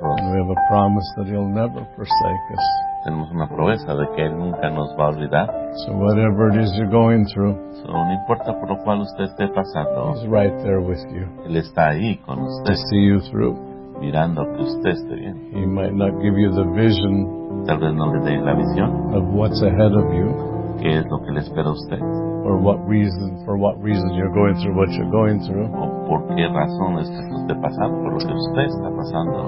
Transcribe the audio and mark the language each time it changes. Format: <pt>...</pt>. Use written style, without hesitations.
<en>And we have a promise that He'll never forsake us.</en> <es>Tenemos una promesa de que Él nunca nos va a olvidar.</es> <en>So whatever it is you're going through,</en> <es>so no importa por lo cual usted esté pasando,</es> <en>He's right there with you.</en> <es>Él está ahí con usted.</es> <en>To see you through.</en> <es>Mirando que usted esté bien.</es> <en>He might not give you the vision.</en> <es>Tal vez no le dé la visión.</es> <en>Of what's ahead of you.</en> <es>Qué es lo que le espera a usted.</es> <en>Or what reason, for what reason you're going through what you're going through.</en> <es>O por qué razón es que usted pasa por lo que usted está pasando.</es>